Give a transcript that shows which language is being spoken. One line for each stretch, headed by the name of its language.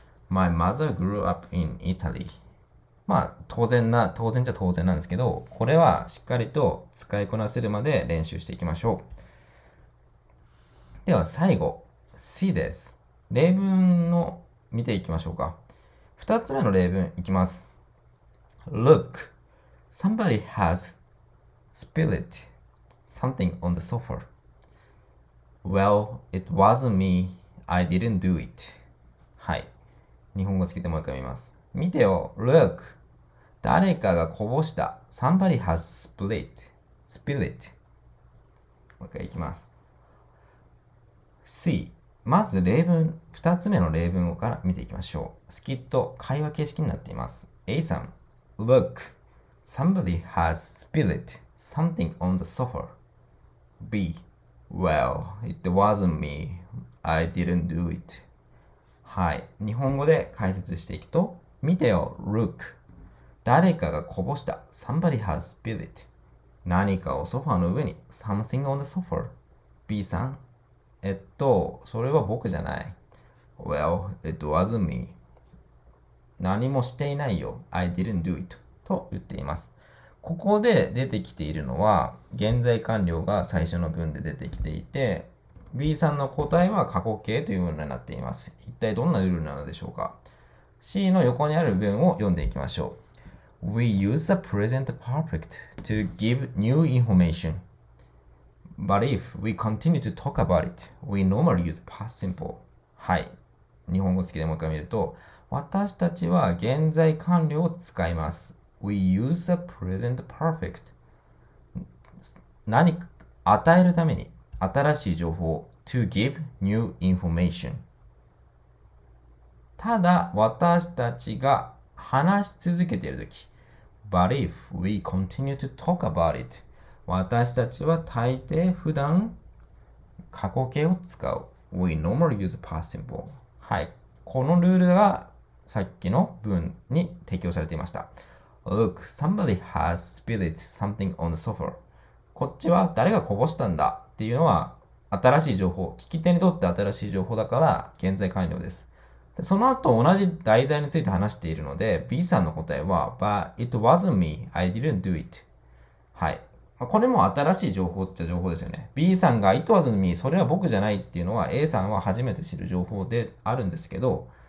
English: My mother grew up in Italy。
Japanese: まあ、当然じゃ当然なんですけど、これはしっかりと使いこなせるまで練習していきましょう。では最後、C です。例文の見ていきましょうか。 2つ目の例文いきます。
English: Look, somebody has spilled something on the sofa. Well, it wasn't me. I didn't do it. はい。
Japanese: 日本語つけてもう一回見ます。見てよ。Look, 誰かがこぼした。
English: Somebody has spilled.
Japanese: もう一回いきます。
English: See.
Japanese: まず例文、2つ目の例文から見ていきましょう。スキット、会話形式になっています。
English: A さん、Look, somebody has spilled something on the sofa. B, well, it wasn't me. I didn't do it.
Japanese: はい、日本語で解説していくと、見てよ、Look, 誰かがこぼした。
English: Somebody has spilled it.
Japanese: 何かをソファーの上に、
English: something on the sofa.
Japanese: B さん、それは僕じゃない。
English: Well, it wasn't me.
Japanese: 何もしていないよ。
English: I didn't do it.
Japanese: と言っています。ここで出てきているのは、現在完了が最初の文で出てきていて、B さんの答えは過去形というものになっています。一体どんなルールなのでしょうか。C の横にある文を読んでいきましょう。
English: We use the present perfect to give new information. But if we continue to talk about it, we normally use past simple.
Japanese: はい。日本語付きでもう一回見ると、私たちは現在完了を使います。
English: We use the present perfect.
Japanese: 何か与えるために、新しい情報
English: to give new information.
Japanese: ただ、私たちが話し続けているとき、
English: But if we continue to talk about it,
Japanese: 私たちは大抵普段過去形を使う。
English: We normally use past simple. はい。
Japanese: このルールがさっきの文に適用されていました。
English: Look, somebody has spilled something on the sofa.
Japanese: こっちは誰がこぼしたんだっていうのは新しい情報。聞き手にとって新しい情報だから現在完了です。で、その後同じ題材について話しているので、B さんの答えは、
English: But it wasn't me. I didn't do it.
Japanese: はい。これも新しい情報っちゃ情報ですよね。B さんが
English: It wasn't me、
Japanese: それは僕じゃないっていうのは A さんは初めて知る情報であるんですけど、